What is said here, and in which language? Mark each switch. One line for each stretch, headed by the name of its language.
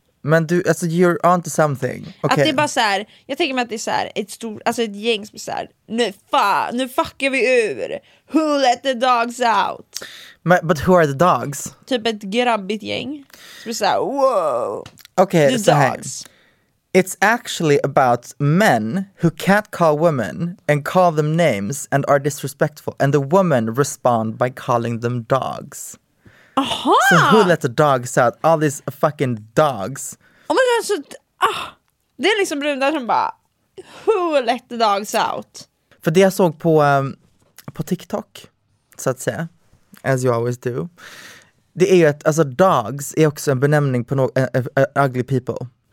Swedish: Men du, alltså
English: you're onto something. Okay.
Swedish: Att det är bara så här, jag tänker mig att det är så här ett stort, alltså ett gäng som är så här, nu fuckar vi ur.
English: Who Let The Dogs Out? But who are the dogs?
Swedish: Typ ett grabbigt gäng som är så här,
English: wow.
Swedish: Okej, så här.
English: It's actually about men who catcall women and call them names and are disrespectful. And the women respond by calling them dogs. Aha! So who let the dogs out? All these fucking dogs. Oh my god,
Swedish: det är liksom brun där som bara,
English: who let the dogs out?
Swedish: För det jag såg på TikTok, så att säga,
English: as you always do,
Swedish: det är ju att alltså, dogs är också en benämning på
English: ugly people.